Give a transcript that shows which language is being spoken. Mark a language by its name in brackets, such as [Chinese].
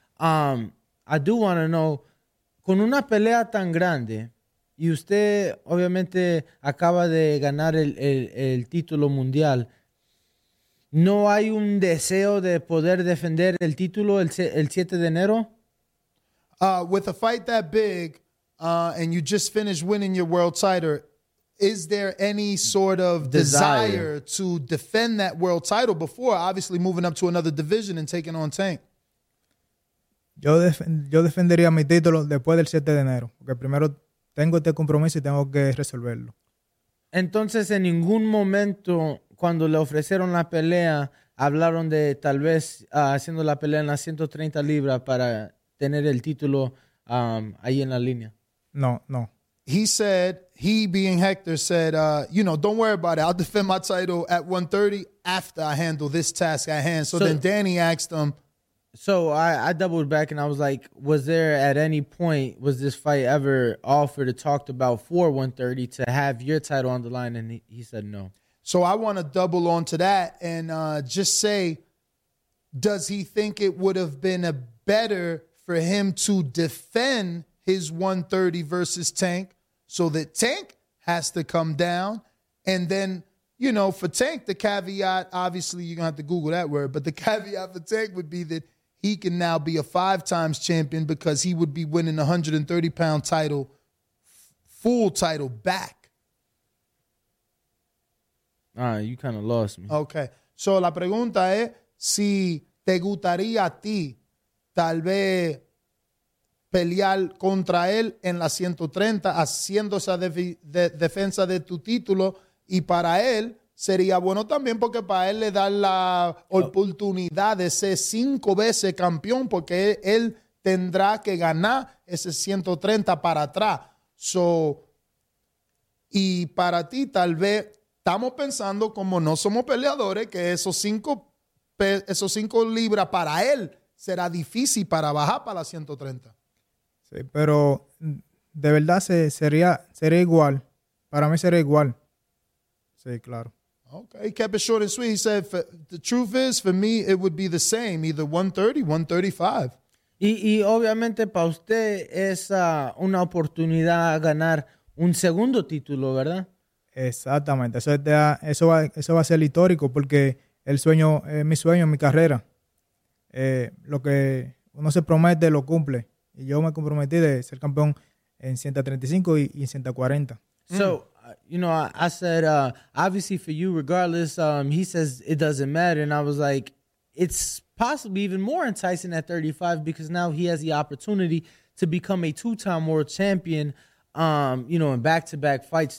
[English] I do want to know, [Spanish] con una pelea tan grande, y usted obviamente acaba de ganar el título mundial, ¿no hay un deseo de poder defender el título el 7 de enero? [English] With a fight that big, and you just finished winning your world title, is there any sort of desire to defend that world title before obviously moving up to another division and taking on Tank? [Spanish] Yo defendería mi título después del 7 de enero, porque primero tengo este compromiso y tengo que resolverlo. Entonces, en ningún momento, cuando le ofrecieron la pelea, hablaron de tal vez haciendo la pelea en las 130 libras para tener el título ahí en la línea. No, no. [English] He said, he being Hector said, you know, don't worry about it. I'll defend my title at 130 after I handle this task at hand. So then Danny asked him. So I doubled back and I was like, was there at any point, was this fight ever offered or talked about for 130 to have your title on the line? And he said no. So I want to double on to that and just say, does he think it would have been a better for him to defend his 130 versus Tank, so that Tank has to come down. And then, you know, for Tank, the caveat, obviously you're going to have to Google that word, but the caveat for Tank would be that he can now be a 5 times champion because he would be winning 130-pound title, full title back. All right, you kind of lost me. Okay. [Spanish] So la pregunta es, si te gustaría a ti, tal vez pelear contra él en la 130, haciendo esa defensa de tu título, y para él sería bueno también porque para él le da la oportunidad de ser 5 veces campeón porque él tendrá que ganar ese 130 para atrás. So, y para ti tal vez estamos pensando, como no somos peleadores, que esos cinco libras para él será difícil para bajar para la 130. Sí, pero de verdad sería igual. Para mí sería igual. Sí, claro. [English] Okay, he kept it short and sweet. He said, the truth is, for me, it would be the same, either 130, 135. [Spanish] Y obviamente para usted es una oportunidad a ganar un segundo título, ¿verdad? Exactamente. Eso va a ser histórico porque el sueño es mi sueño, mi carrera. Lo que uno se promete lo cumple. Y yo me comprometí de ser campeón en 135 y 140. [English] So, you know, I said, obviously for you, regardless, he says it doesn't matter. And I was like, it's possibly even more enticing at 35 because now he has the opportunity to become a 2-time world champion, you know, in back-to-back fights.